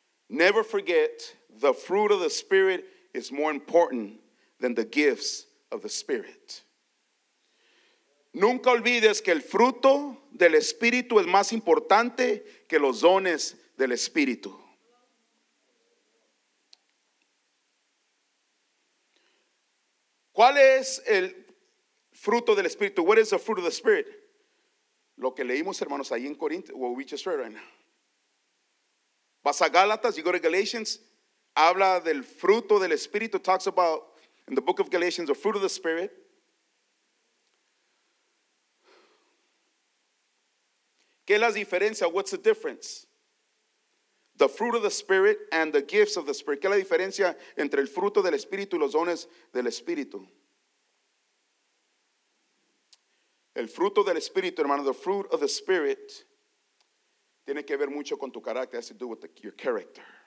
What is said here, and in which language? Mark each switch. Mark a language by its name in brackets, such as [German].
[English] Never forget the fruit of the Spirit is more important than the gifts of the Spirit. [Spanish] Nunca olvides que el fruto del Espíritu es más importante que los dones del Espíritu. ¿Cuál es el fruto del Espíritu? [English] What is the fruit of the Spirit? [Spanish] Lo que leímos, hermanos, ahí en Corintios, [English] what we just read right now. [Spanish] Vas a Gálatas, [English] you go to Galatians, [Spanish] habla del fruto del Espíritu, [English] talks about, in the book of Galatians, the fruit of the Spirit. [Spanish] ¿Qué es la diferencia? [English] What's the difference? The fruit of the Spirit and the gifts of the Spirit. [Spanish] ¿Qué es la diferencia entre el fruto del Espíritu y los dones del Espíritu? El fruto del Espíritu, hermano, [English] the fruit of the Spirit, [Spanish] tiene que ver mucho con tu carácter. [English] It has to do with your character.